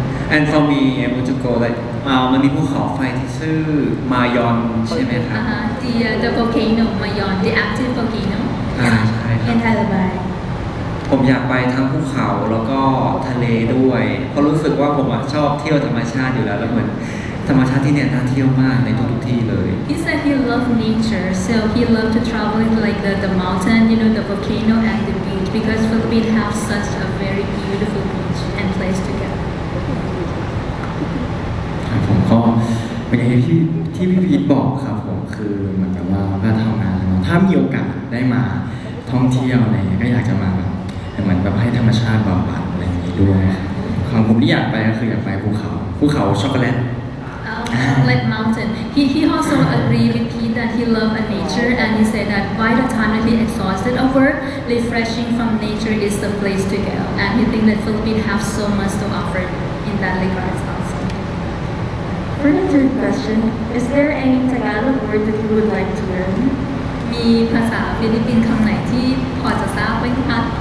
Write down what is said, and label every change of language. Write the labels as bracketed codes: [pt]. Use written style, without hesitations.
[en] And for me, I want to go like, [th] มันมีภูเขาไฟที่ชื่อมายอนใช่ไหมครับ [en] The volcano Mayon, the active volcano. [th] ใช่ครับ [en] And [th] ผมอยากไปทั้งภูเขาแล้วก็ทะเลด้วยเพราะรู้สึกว่าผมชอบเที่ยวธรรมชาติอยู่แล้วแล้วเหมือนธรรมชาติที่เนี่ยน่าเที่ยวมากในทุกที่เลย [en] He said he loved nature, so he loved to travel into like the mountain, you know, the volcano and the beach because Philippines have such a very beautiful beach and place to go. [th] ผมก็เป็นอย่างที่พี่พีทบอกครับผมคือเหมือนกับว่าก็ทำงานถ้ามีโอกาสได้มาท่องเที่ยวอะไรก็อยากจะมาแบบเหมือนแบบให้ธรรมชาติบำบัดอะไรนี้ด้วยความผมที่อยากไปก็คืออยากไปภูเขาช็อกโกแลต [en] Chocolate mountain. He also agreed with Pete that he loved the nature and he said that by the time that he exhausted of work, refreshing from nature is the place to go. And he thinks that Philippines have so much to offer in that regard also. For the third question, is there any Tagalog word that you would like to learn? [th] มีภาษาฟิลิปปินส์คำไหนที่พอจะทราบไหมคะ